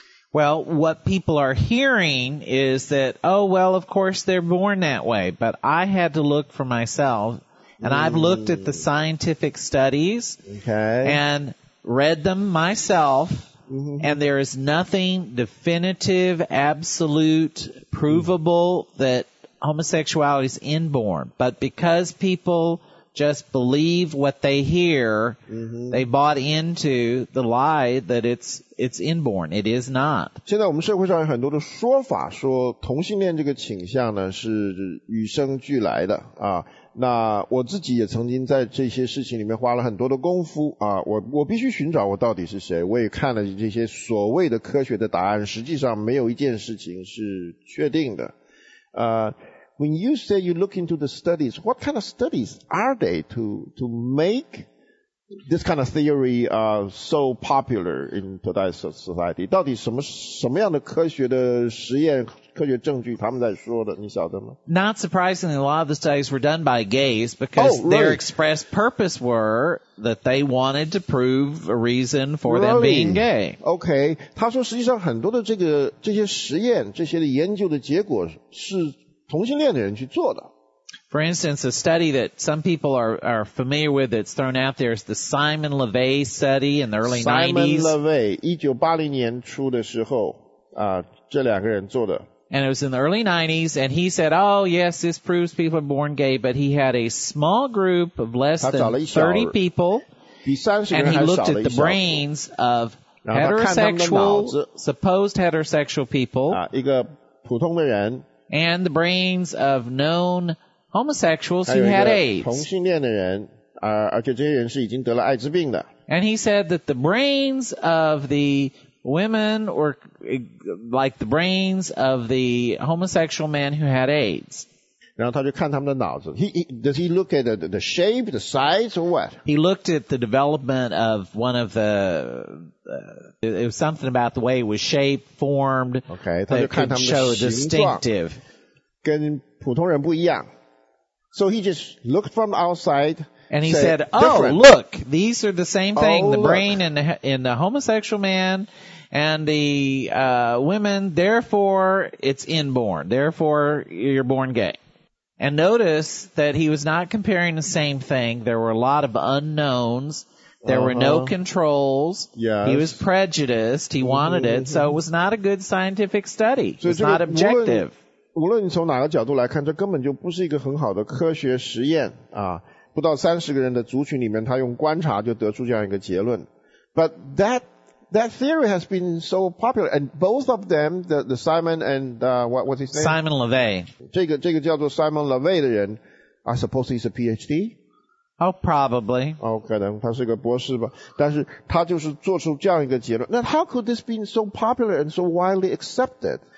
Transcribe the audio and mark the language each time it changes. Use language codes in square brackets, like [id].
[en] Well, what people are hearing is that oh well, of course they're born that way but I had to look for myselfAnd I've looked at the scientific studies and read them myself, and there is nothing definitive, absolute, provable that homosexuality is inborn. But because people just believe what they hear, they bought into the lie that it's inborn. It is not. [zh] 现在我们社会上有很多的说法说同性恋这个倾向呢是与生俱来的啊。那我自己也曾经在这些事情里面花了很多的功夫啊，我必须寻找我到底是谁。我也看了这些所谓的科学的答案，实际上没有一件事情是确定的。 [en] When you say you look into the studies, what kind of studies are they to make this kind of theory so popular in today's society? [zh] 到底什么样的科学的实验？科学证据他们在说的，你晓得吗？ [en] Not surprisingly, a lot of the studies were done by gays because their express purpose were that they wanted to prove a reason for them being gay. [zh] Okay, 他说实际上很多的这些实验，这些的研究的结果是同性恋的人去做的。 [en] For instance, a study that some people are familiar with that's thrown out there is the Simon LaVey study in the early 90s. [zh] Simon LaVey, 1980年初的时候啊，这两个人做的。 [en] And it was in the early 90s, and he said, oh, yes, this proves people are born gay, but he had a small group of less than 30 people, and he looked at the brains of heterosexual, supposed heterosexual people, [zh] 一个普通的人, [en] and the brains of known homosexuals who had AIDS. [zh] 同性恋的人, 而且这些人是已经得了艾滋病的。 [en] And he said that the brains of the women were like the brains of the homosexual man who had AIDS. [zh] 然后他就看他们的脑子。 [en] Does he look at the shape, the size, or what? He looked at the development of one of the, it was something about the way it was shaped, formed, okay, [zh] 他就看他们的形状, distinctive. 跟普通人不一样。 [en] So he just looked from outside, And he said, oh,、 different. Look, these are the same thing,、 oh, the brain in the homosexual man and the women, therefore it's inborn, therefore you're born gay. And notice that he was not comparing the same thing, there were a lot of unknowns, there were no controls,、 yes. he was prejudiced, he wanted it, so it was not a good scientific study, it was not objective. [zh] 无论你从哪个角度来看,这根本就不是一个很好的科学实验啊。不到三十个人的族群里面，他用观察就得出这样一个结论。 [en] But that theory has been so popular, and both of them, the Simon and what's his name? Simon LaVey. [zh] 这个叫做 Simon LaVey 的人 [en] ，I suppose he's a PhD. Oh, probably. [zh] 哦，可能他是个博士吧。但是他就是做出这样一个结论。 [en] Now, how could this be so popular and so widely accepted?